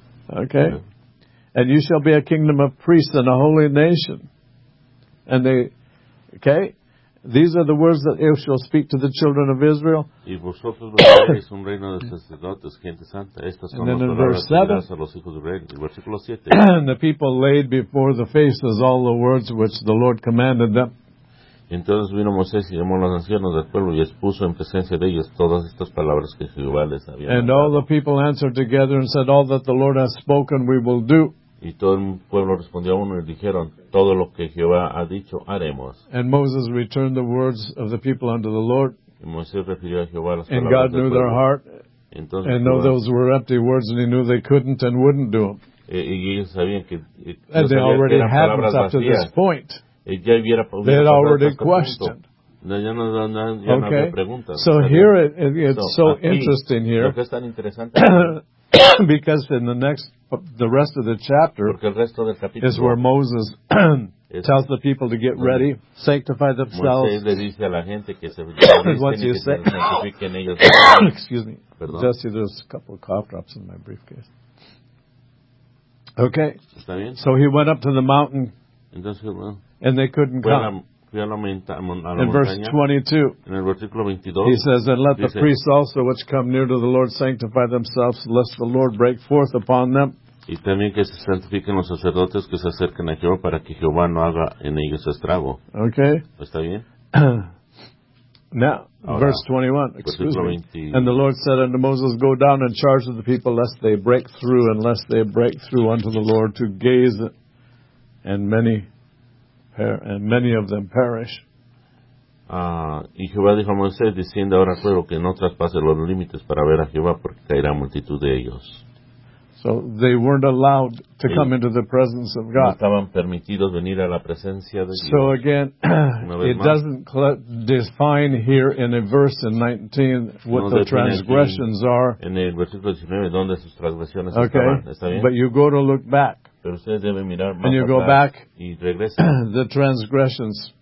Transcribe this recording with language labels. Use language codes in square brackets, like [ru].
[en] Okay. Yeah. And you shall be a kingdom of priests and a holy nation. And they, okay, these are the words that you shall speak to the children of Israel. [es] Y vosotros los seréis un reino de sacerdotes, gente santa. Estas son las palabras que dirás a los hijos de Israel. Versículo 7. [en] And the people laid before the faces all the words which the Lord commanded them. [es] Entonces vino Moisés y llamó a los ancianos del pueblo y expuso en presencia de ellos todas estas palabras que Jehová les había [en] And all the people answered together and said, all that the Lord has spoken we will do. [es] Y todo el pueblo respondió a uno y dijeron, todo lo que Jehová ha dicho, haremos. [en] And Moses returned the words of the people unto the Lord. [es] Y Moisés refirió a Jehová las palabras [en] And God knew their heart. [es] Entonces, [en] and though those were empty words, and he knew they couldn't and wouldn't do them. [es] Y ellos sabían que, [en] and they already had them up to this point. They had already questioned. Okay. So here it's so interesting here. Because in the rest of the chapter is where Moses tells the people to get ready, sanctify themselves. Excuse me. Jesse, there's a couple of cough drops in my briefcase. Okay. So he went up to the mountain and they couldn't come. In verse 22, he says, And let the priests also which come near to the Lord sanctify themselves, lest the Lord break forth upon them. [es] Y también que se santifiquen los sacerdotes que se acerquen a Jehová para que Jehová no haga en ellos estrago. [en] Okay. [es] ¿Está bien? [en] Now, [es] Ahora, [en] verse 21, excuse me. And the Lord said unto Moses, Go down and charge the people, lest they break through, and lest they break through unto the Lord to gaze, and many... And many of them perish. [es] Y Jehová dijo a Moisés, desciende ahora fuego que no traspase los límites para ver a Jehová, porque caerá multitud de ellos. [en] So they weren't allowed to come into the presence of God. [es] No estaban permitidos venir a la presencia de Dios. [en] So again, it doesn't define here in a verse in 19 what the transgressions are. [es] En el versículo 19, ¿dónde sus transgresiones estaban? ¿Está bien? [en] But you go to look back. [es] Pero ustedes deben mirar más [en] and you [es] atrás [en] go back, [es] y regresan. [en] The transgressions.